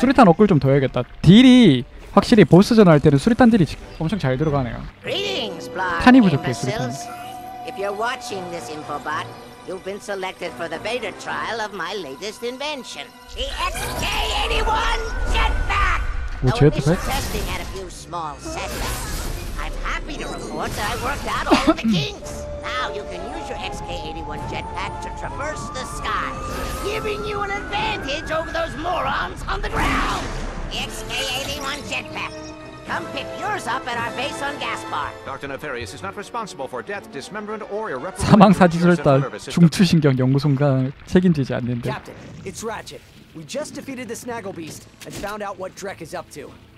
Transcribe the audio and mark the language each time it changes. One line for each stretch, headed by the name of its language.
Korean: 수리탄 업글 좀 더 해야겠다. 딜이 확실히 보스전 할 때는 수리탄 딜이 엄청 잘 들어가네요. 탄이 부족해 수리탄.
English: If you're watching this info bot, you've been selected for the beta trial of my latest invention. The SK-81 jetpack.
Korean: 뭐
English: jetpack? Testing had a few small setbacks. I'm happy to report that I worked out all the kinks. Now you can use your XK-81 jetpack to traverse the skies, giving you an advantage over those morons on the ground! The XK-81 jetpack! Come pick yours up at our base on Gaspar! Dr. Nefarious is not responsible for death, dismemberment, or irreparable...
Korean: 사망사지술을 딸 중추신경 연구소가 책임지지 않는데...
English: Captain, it's Ratchet. We just defeated the Snaggle Beast and found out what Drek is up to.